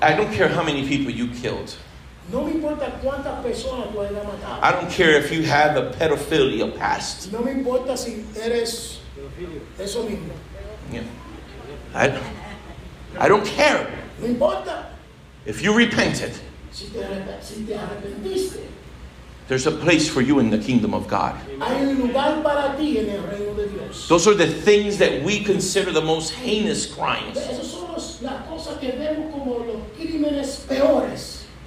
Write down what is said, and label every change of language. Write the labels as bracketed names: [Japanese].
[English] I don't care how many people you killed. [Spanish] No me importa cuántas personas tú hayas matado. [English] I don't care if you have a pedophilia past. [Spanish] No me importa si eres eso mismo. [English] Yeah. I don't care. [Spanish] No importa. [English] If you repented. [Spanish] Si te arrepentiste. [English] There's a place for you in the kingdom of God. [Spanish] Hay un lugar para ti en el reino de Dios. [English] Those are the things that we consider the most heinous crimes. [Spanish] Esas son las cosas que vemos como los crímenes peores.